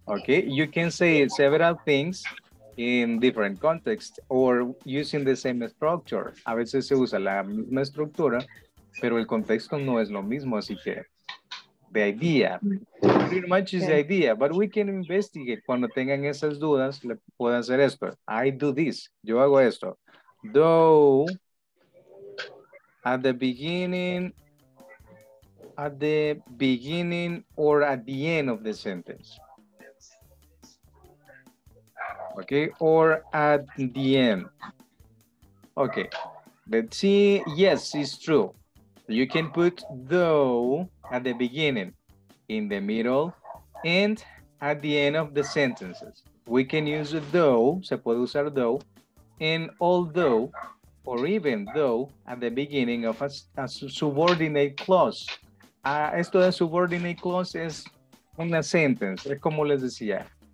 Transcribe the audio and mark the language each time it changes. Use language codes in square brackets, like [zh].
[en] Okay, you can say several things in different contexts or using the same structure. [es] A veces se usa la misma estructura, pero el contexto no es lo mismo, así que [en] the idea, pretty much is the idea, but we can investigate. [es] Cuando tengan esas dudas, le puedo hacer esto. [en] I do this, [es] yo hago esto. [en] Though, at the beginning or at the end of the sentence. Okay, or at the end. Okay, let's see, yes, it's true. You can put though at the beginning, in the middle, and at the end of the sentences. We can use though, [es] se puede usar [en] though, and although, or even though, at the beginning of a subordinate clause. [es] Esto de subordinate clause es una sentence, es como les decía.